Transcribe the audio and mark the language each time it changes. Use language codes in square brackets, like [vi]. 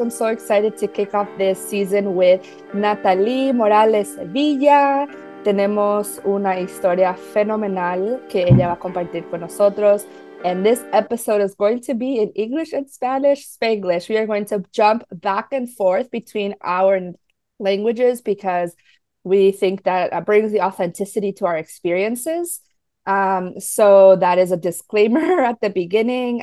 [en] I'm so excited to kick off this season with Natalie Morales Sevilla. [es] Tenemos una historia fenomenal que ella va a compartir con nosotros. [en] And this episode is going to be in English and Spanish, Spanglish. We are going to jump back and forth between our languages because we think that brings the authenticity to our experiences. So that is a disclaimer at the beginning.